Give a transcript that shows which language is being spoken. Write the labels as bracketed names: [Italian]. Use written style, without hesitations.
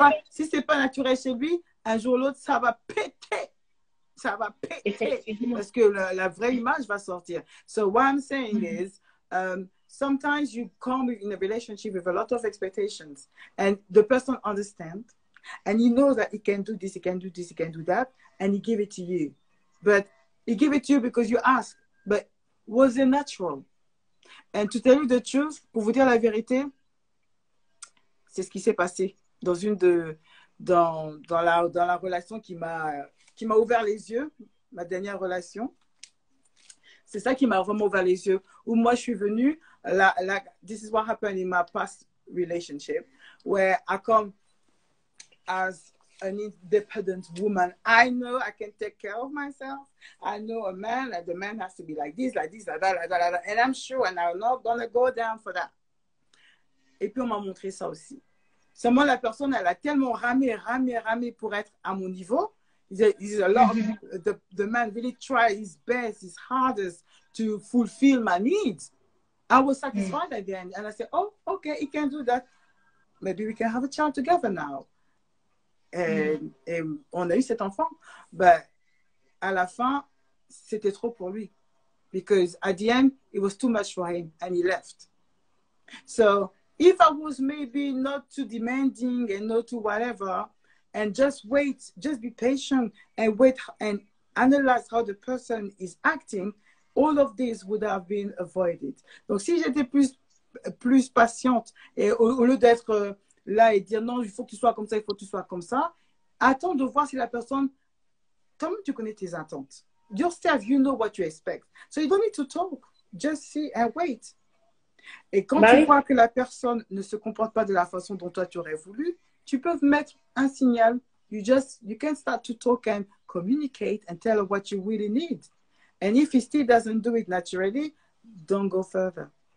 [French] Si c'est pas naturel chez lui, un jour ou l'autre, ça va péter. Ça va péter parce que la vraie image va sortir. [English] So what I'm saying is, sometimes you come in a relationship with a lot of expectations and the person understands and he knows that he can do this, he can do that and he give it to you. But he give it to you because you ask, but was it natural? And to tell you the truth, [French] pour vous dire la vérité, c'est ce qui s'est passé dans une de... dans la relation qui m'a ouvert les yeux, ma dernière relation. C'est ça qui m'a vraiment ouvert les yeux. Où moi, je suis venue, [English] this is what happened in my past relationship, where I come as an independent woman. I know I can take care of myself. I know a man, that the man has to be like this, like that, like that, like that. And I'm sure, and I'm not going to go down for that. [French] Et puis, on m'a montré ça aussi. Seulement, la personne, elle a tellement ramé pour être à mon niveau. [English] He's a lot of, the man really tried his best, his hardest to fulfill my needs. I was satisfied at the end. And I said, oh, okay, he can do that. Maybe we can have a child together now. [French] Et on a eu cet enfant. But à la fin, c'était trop pour lui. [English] Because at the end, it was too much for him and he left. So if I was maybe not too demanding and not too whatever, and just wait, just be patient and wait and analyze how the person is acting, all of this would have been avoided. [French] Donc si j'étais plus patiente et au lieu d'être là et dire non, il faut que tu sois comme ça, attends de voir si la personne, comment tu connais tes attentes. [English] Yourself, you know what you expect. So you don't need to talk, just see and wait. [French] Et quand tu vois que la personne ne se comporte pas de la façon dont toi tu aurais voulu, tu peux mettre un signal. [English] You can start to talk and communicate and tell her what you really need. And if he still doesn't do it naturally, don't go further.